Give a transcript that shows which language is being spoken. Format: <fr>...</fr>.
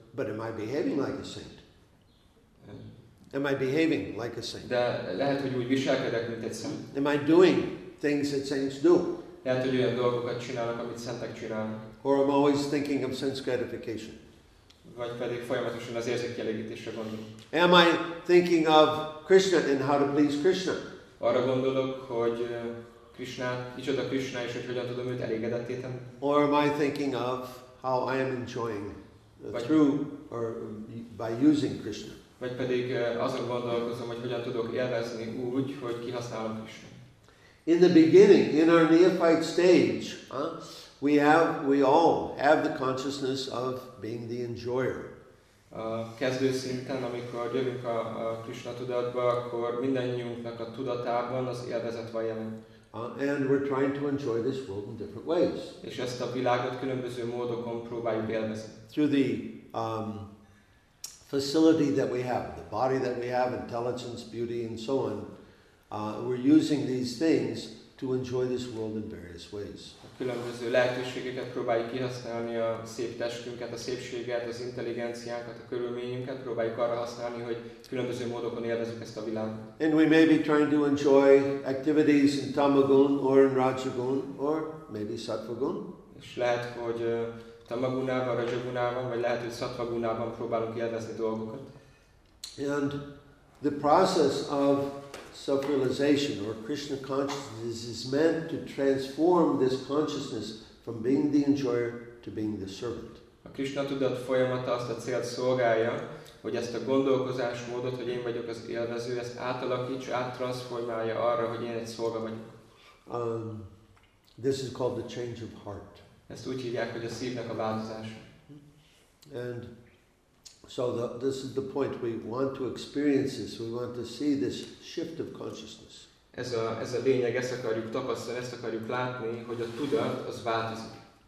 <en>But am I behaving like a saint? Am I behaving like a saint?</en> <hu>De lehet, hogy úgy viselkedek, mint egy szent.</hu> <en>Am I doing things that saints do?</en> <hu>Lehet, hogy olyan dolgokat csinálok, amit szentek csinálnak.</hu> <en>Or am I always thinking of sense gratification?</en> <hu>Vagy pedig folyamatosan az érzékkielégítésre gondolok.</hu> <en>Am I thinking of Krishna and how to please Krishna?</en> <hu>Arra gondolok, hogy Krishna, kicsoda Krishna, és hogy hogyan tudom őt elégedetté tenni.</hu> <en>Or am I thinking of how I am enjoying through or by using Krishna?</en> <hu>Vagy pedig azon gondolkozom, hogy hogyan tudok élvezni úgy, hogy kihasználom Krishna.</hu> <en>In the beginning, in our neophyte stage, we all have the consciousness of being the enjoyer.</en> <hu>Kezdő szinten, amikor jövünk a Krishna tudatba, akkor mindannyiunknak a tudatában az élvezet van jelen.</hu> <en>And we're trying to enjoy this world in different ways.</en> <hu>És ezt a világot különböző módokon próbáljuk élvezni.</hu> <en>Through the facility that we have, the body that we have, intelligence, beauty, and so on, we're using these things to enjoy this world in various ways.</en> <hu>A különböző lehetőségeket próbáljuk kihasználni, a szép testünket, a szépséget, az intelligenciánkat, a körülményünket próbáljuk arra használni, hogy különböző módokon élvezzük ezt a világot.</hu> <en>And we may be trying to enjoy activities in tamagun or in rajagun or maybe sattvagun.</en> <hu>És lehet, hogy tamagunában, rajagunában, vagy lehet, hogy sattvagunában próbálunk élvezni dolgokat.</hu> <en>And the process of self-realization or Krishna consciousness is meant to transform this consciousness from being the enjoyer to being the servant.</en> <hu>A Krishna tudat folyamata azt a célt szolgálja, hogy ezt a gondolkozásmódot, hogy én vagyok az élvező, ezt átalakítsa, áttransformálja arra, hogy én egy szolga vagyok.</hu> <en>This is called the change of heart.</en> <hu>Ezt úgy hívják, hogy a szívnek a változása.</hu> <en>And so this is the point we want to experience this. We want to see this shift of consciousness.</en> <hu>Ez a lényeg, ezt akarjuk tapasztalni, ezt akarjuk látni, hogy a tudat az változik.</hu>